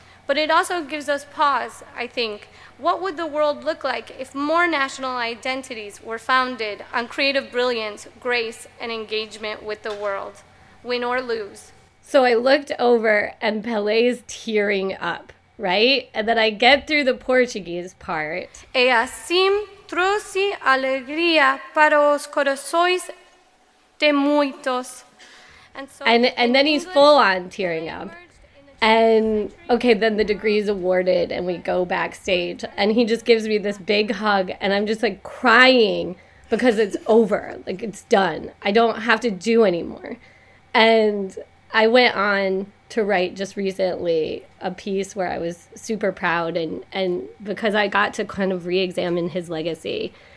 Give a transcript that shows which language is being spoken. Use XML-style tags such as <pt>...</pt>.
<en>But it also gives us pause, I think. What would the world look like if more national identities were founded on creative brilliance, grace, and engagement with the world, win or lose? So I looked over, and Pelé is tearing up, right? And then I get through the Portuguese part.</en> <pt>E assim trouxe alegria para os corações de muitos.</pt> <en>And then he's full on tearing up. And okay, then the degree is awarded and we go backstage and he just gives me this big hug and I'm just like crying because it's over. Like, it's done. I don't have to do anymore. And I went on to write just recently a piece where I was super proud and because I got to kind of re-examine his legacy.</en>